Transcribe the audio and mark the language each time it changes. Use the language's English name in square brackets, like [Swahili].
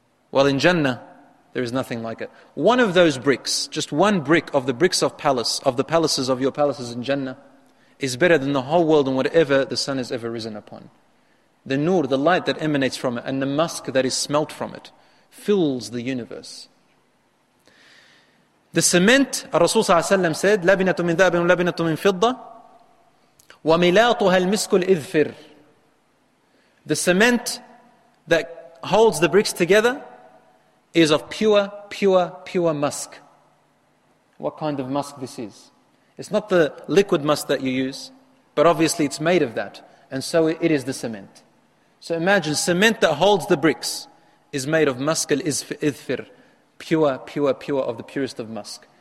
[English] Well, in Jannah, there is nothing like it. One of those bricks, just one brick of the bricks of palace, of the palaces of your palaces in Jannah, is better than the whole world and whatever the sun has ever risen upon. The nur, the light that emanates from it, and the musk that is smelt from it, fills the universe. The cement, Rasul [Arabic] صلى الله عليه وسلم [English] said, [Arabic] لبنة من ذهب ولبنة من فضة وملاطها المسك الإذفر. [English] The cement that holds the bricks together is of pure, pure, pure musk. what kind of musk this is. It's not the liquid musk that you use, but obviously it's made of that. And so it is the cement. So imagine, cement that holds the bricks is made of musk al-izfir, pure, pure, pure of the purest of musk.